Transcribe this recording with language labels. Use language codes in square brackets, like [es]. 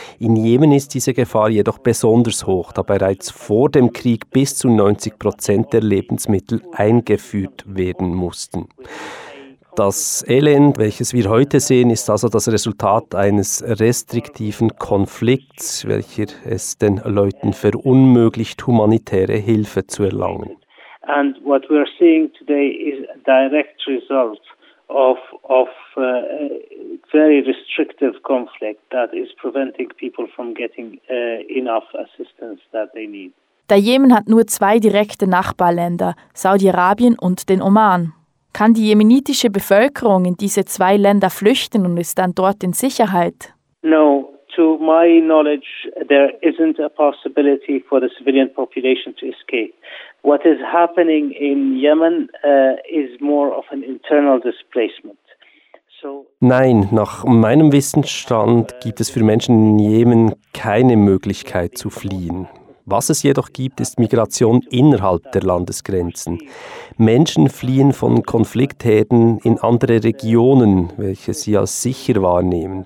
[de] In Jemen ist diese Gefahr jedoch besonders hoch, da bereits vor dem Krieg bis zu 90% der Lebensmittel eingeführt werden mussten. Das Elend, welches wir heute sehen, ist also das Resultat eines restriktiven Konflikts, welcher es den Leuten verunmöglicht, humanitäre Hilfe zu erlangen. [en] And what we are seeing today is a direct result of very restrictive conflict that is preventing people from getting enough assistance that they need. [de] Der Jemen hat nur 2 direkte Nachbarländer, Saudi-Arabien und den Oman. Kann die jemenitische Bevölkerung in diese 2 Länder flüchten und ist dann dort in Sicherheit? [en] No. To my knowledge, there isn't a possibility for the civilian population to escape. What is happening in Yemen is more of an internal displacement. [de] Nein, nach meinem Wissensstand gibt es für Menschen in Jemen keine Möglichkeit zu fliehen. Was es jedoch gibt, ist Migration innerhalb der Landesgrenzen. Menschen fliehen von Konfliktherden in andere Regionen, welche sie als sicher wahrnehmen.